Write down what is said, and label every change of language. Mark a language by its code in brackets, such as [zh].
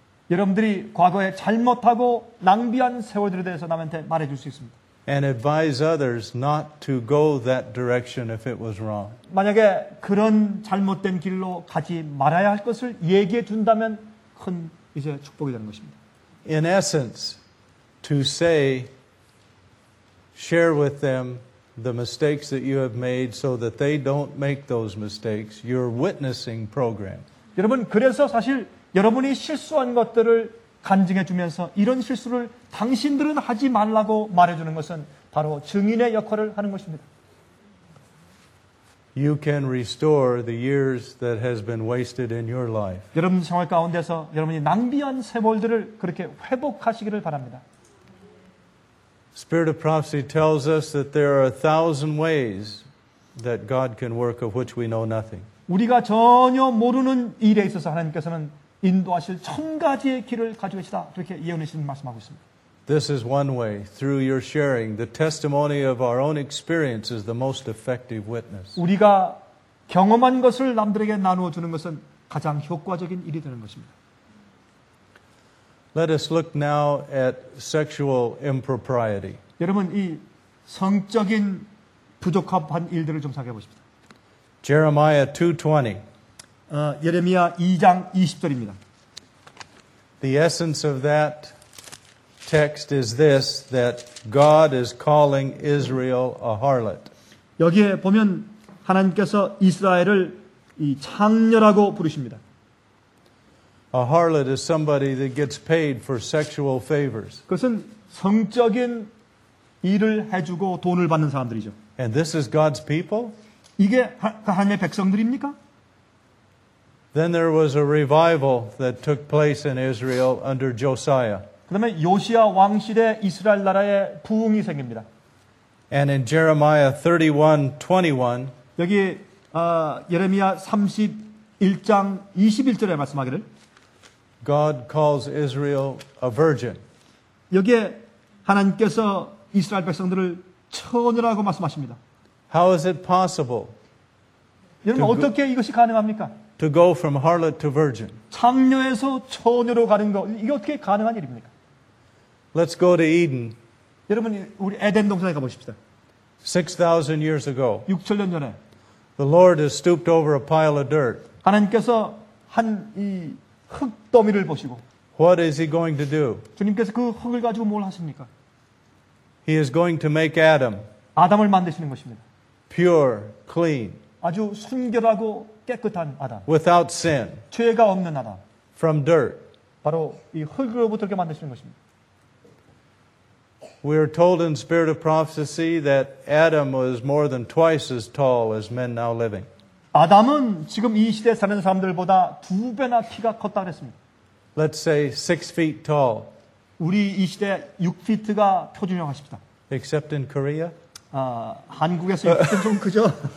[ko] 여러분들이 과거에 잘못하고 낭비한 세월들에 대해서 남한테 말해 줄 수 있습니다. [en] And advise others not to go that direction if it was wrong. [ko] 만약에 그런 잘못된 길로 가지 말아야 할 것을 얘기해 준다면 큰 이제 축복이 되는 것입니다. [en] In essence, to say, share with them the mistakes that you have made so that they don't make those mistakes, your witnessing program. [ko] 여러분, 그래서 사실 여러분이 실수한 것들을 간증해 주면서 이런 실수를 당신들은 하지 말라고 말해주는 것은 바로 증인의 역할을 하는 것입니다. [en] You can restore the years that has been wasted in your life. [ko] 여러분 생활 가운데서 여러분이 낭비한 세월들을 그렇게 회복하시기를 바랍니다. [en] Spirit of prophecy tells us that there are a thousand ways that God can work of which we know nothing. [ko] 우리가 전혀 모르는 일에 있어서 하나님께서는 인도하실 천 가지의 길을 가지고 계시다. 그렇게 예언하시는 말씀하고 있습니다. [en] This is one way through your sharing the testimony of our own experience is the most effective witness. [ko] 우리가 경험한 것을 남들에게 나누어 주는 것은 가장 효과적인 일이 되는 것입니다. [en] Let us look now at sexual impropriety. [ko] 여러분 이 성적인 부적합한 일들을 좀 생각해 보십시오. [en] Jeremiah 2:20. [ko] 예레미야 2장 20절입니다. [en] The essence of that text is this that God is calling Israel a harlot. [ko] 여기에 보면 하나님께서 이스라엘을 이 창녀라고 부르십니다. [en] A harlot is somebody that gets paid for sexual favors. [ko] 그것은 성적인 일을 해 주고 돈을 받는 사람들이죠. [en] And this is God's people? [ko] 이게 하나님의 백성들입니까? [en] Then there was a revival that took place in Israel under Josiah. [ko] 그다음에 요시아 왕 시대 이스라엘 나라에 부흥이 생깁니다. [en] And in Jeremiah 31:21. [ko] 여기 예레미야 31장 21절에 말씀하기를 [en] God calls Israel a virgin. [ko] 여기에 하나님께서 이스라엘 백성들을 처녀라고 말씀하십니다. [en] How is it possible? [ko] 여러분 어떻게 이것이 가능합니까? [en] To go from harlot to virgin. [ko] 창녀에서 처녀로 가는 거 이게 어떻게 가능한 일입니까? [en] Let's go to Eden. [ko] 여러분 우리 에덴 동산에 가보십시다. [en] 6,000 years ago. [ko] 6,000년 전에. [en] The Lord has stooped over a pile of dirt. [ko] 하나님께서 한 이 흙더미를 보시고 [en] What is he going to do? [ko] 주님께서 그 흙을 가지고 뭘 하십니까? [en] He is going to make Adam. [ko] 아담을 만드시는 것입니다. [en] Pure, clean. [ko] 아주 순결하고 깨끗한 아담. [en] Without sin. [ko] 죄가 없는 아담. [en] From dirt. [ko] 바로 이 흙으로부터 이렇게 만드시는 것입니다. [en] We are told in Spirit of Prophecy that Adam was more than twice as tall as men now living. [ko] 아담은 지금 이 시대 사는 사람들보다 두 배나 키가 컸다 그랬습니다. [en] Let's say 6 feet tall. [ko] 우리 이 시대 6피트가 표준형하십니다. [en] Except in Korea? [ko] 한국에서 6피트는 좀 크죠?